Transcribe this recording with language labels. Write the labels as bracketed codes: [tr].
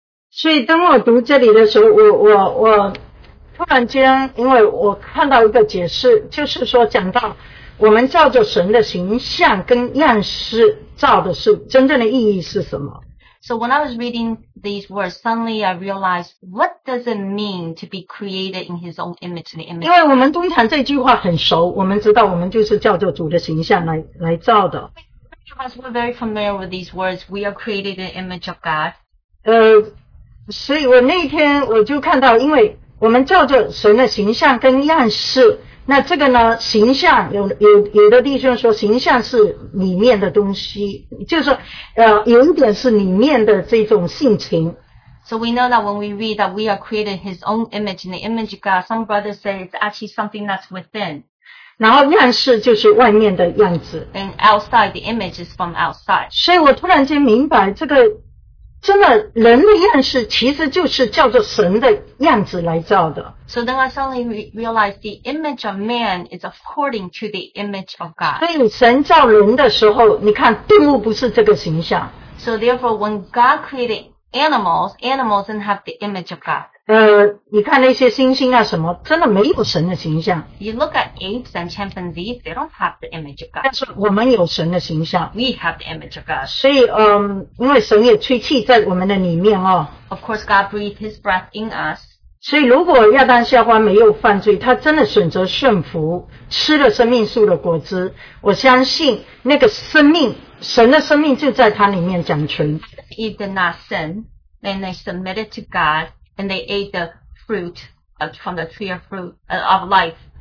[zh] 所以当我读这里的时候,我突然间,因为我看到一个解释,就是说讲到我们照着神的形象跟样式, 造的是真正的意义是什么? [en] So when I was reading these words, suddenly I realized, what does it mean to be created in his own image? In the image? [zh] 因为我们东坛这句话很熟, 我们知道我们就是照着主的形象来造的。 [en] Many of us were very familiar with these words, we are created in the image of God. [zh] 所以我那天我就看到, 因为我们照着神的形象跟样式, 那这个呢,形象,有的弟兄说形象是里面的东西, 就是说,有一点是里面的这种性情。 [en] So we know that when we read that we are created his own image in the image of God, some brothers say it's actually something that's within. [zh] 然后样式就是外面的样子。 [en] And outside, the image is from outside. [zh] 所以我突然间明白这个, 真的人的样式其实就是叫做神的样子来造的。 [en] So then I suddenly realized the image of man is according to the image of God. [zh] 所以神造人的时候, 你看, 动物不是这个形象。 [en] So therefore when God created animals, animals didn't have the image of God. [zh] 你看那些猩猩啊什么,真的没有神的形象。 [en] You look at apes and chimpanzees, they don't have the image of God. [zh] 但是我们有神的形象。 [en] We have the image of God. [zh] 所以, 因为神也吹气在我们的里面哦。 [en] Of course, God breathed his breath in us. [zh] 所以如果亚当夏娃没有犯罪,他真的选择顺服,吃了生命树的果子, 我相信那个生命, 神的生命就在他里面掌权。 [en] If they did not sin, then they submitted to God. And they ate the fruit from the tree of fruit of life.